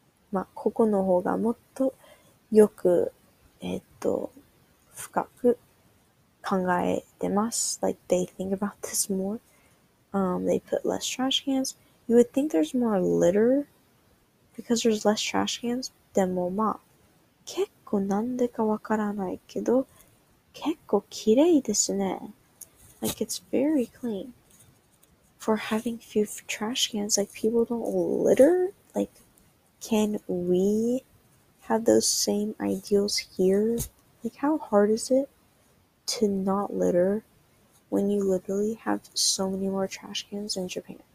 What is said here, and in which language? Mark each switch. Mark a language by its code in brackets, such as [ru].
[ja] まあ、ここの方がもっとよく、深く考えてます。 [en] Like, they think about this more. They put less trash cans. You would think there's more litter because there's less trash cans. [ja] でもまあ、結構なんでかわからないけど、結構きれいですね。 [en] Like, it's very clean. For having few trash cans, like, people don't litter. Like, can we have those same ideals here? Like, how hard is it to not litter when you literally have so many more trash cans in Japan?